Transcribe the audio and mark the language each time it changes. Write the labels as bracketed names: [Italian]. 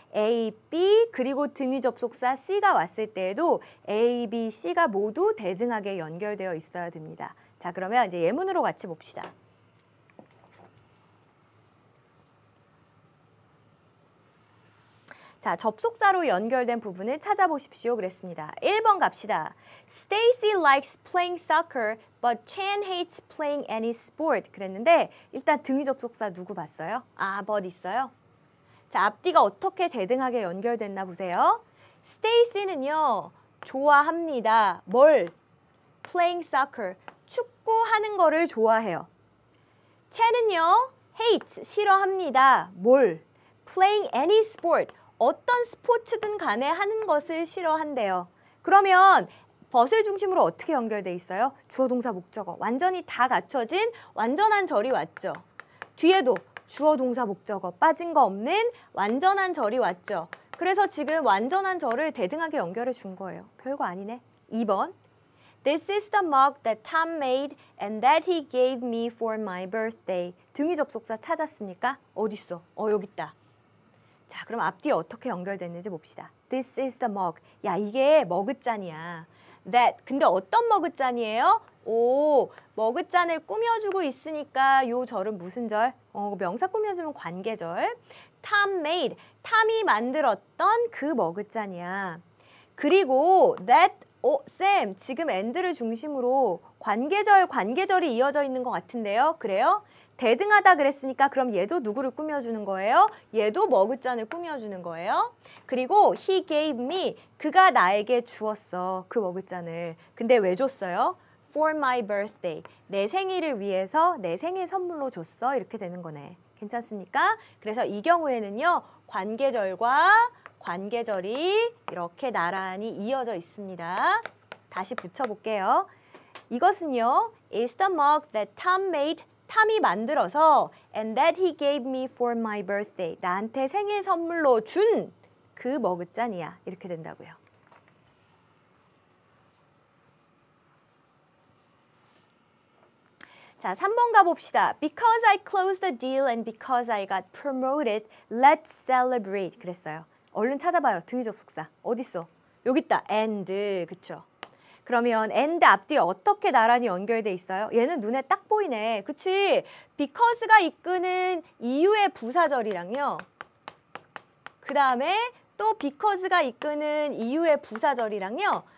[Korean] A, B, 그리고 등위 접속사 C가 왔을 때에도 A, B, C가 모두 대등하게 연결되어 있어야 됩니다. 자, 그러면 이제 예문으로 같이 봅시다. 자, 접속사로 연결된 부분을 찾아보십시오. 그랬습니다. 1번 갑시다. [English] Stacy likes playing soccer, but Chan hates playing any sport. [Korean] 그랬는데 일단 등위 접속사 누구 봤어요? 아, but 있어요. 자, 앞뒤가 어떻게 대등하게 연결됐나 보세요. Stacy는요, 좋아합니다. 뭘? [English] Playing soccer. [Korean] 축구하는 거를 좋아해요. Chan은요, hate, 싫어합니다. 뭘? [English] Playing any sport. [Korean] 어떤 스포츠든 간에 하는 것을 싫어한대요. 그러면 but을 중심으로 어떻게 연결돼 있어요? 주어, 동사, 목적어. 완전히 다 갖춰진 완전한 절이 왔죠. 뒤에도 주어, 동사, 목적어. 빠진 거 없는 완전한 절이 왔죠. 그래서 지금 완전한 절을 대등하게 연결해 준 거예요. 별거 아니네. 2번. [English] This is the mug that Tom made and that he gave me for my birthday. [Korean] 등위 접속사 찾았습니까? 어딨어? 어, 여기 있다. 자, 그럼 앞뒤에 어떻게 연결됐는지 봅시다. [English] This is the mug. [Korean] 야, 이게 머그잔이야. [English] That. [Korean] 근데 어떤 머그잔이에요? 오, 머그잔을 꾸며주고 있으니까 요 절은 무슨 절? 어, 명사 꾸며주면 관계절. [English] Tom made. [Korean] Tom이 만들었던 그 머그잔이야. 그리고 that. 오, 쌤, 지금 and를 중심으로 관계절, 관계절이 이어져 있는 것 같은데요. 그래요? 대등하다 그랬으니까 그럼 얘도 누구를 꾸며주는 거예요? 얘도 머그잔을 꾸며주는 거예요. 그리고 [English] he gave me, [Korean] 그가 나에게 주었어, 그 머그잔을. 근데 왜 줬어요? [English] For my birthday, [Korean] 내 생일을 위해서 내 생일 선물로 줬어, 이렇게 되는 거네. 괜찮습니까? 그래서 이 경우에는요, 관계절과 관계절이 이렇게 나란히 이어져 있습니다. 다시 붙여볼게요. 이것은요, [English] is the mug that Tom made, [Korean] 탐이 만들어서 [English] and that he gave me for my birthday. [Korean] 나한테 생일 선물로 준 그 머그잔이야. 이렇게 된다고요. 자, 3번 가봅시다. [English] Because I closed the deal and because I got promoted, let's celebrate. [Korean] 그랬어요. 얼른 찾아봐요. 등위 접속사. 어딨어? 여기 있다. And. 그쵸? 그러면 and 앞뒤에 어떻게 나란히 연결돼 있어요? 얘는 눈에 딱 보이네. 그치? because가 이끄는 이유의 부사절이랑요. 그 다음에 또 because가 이끄는 이유의 부사절이랑요.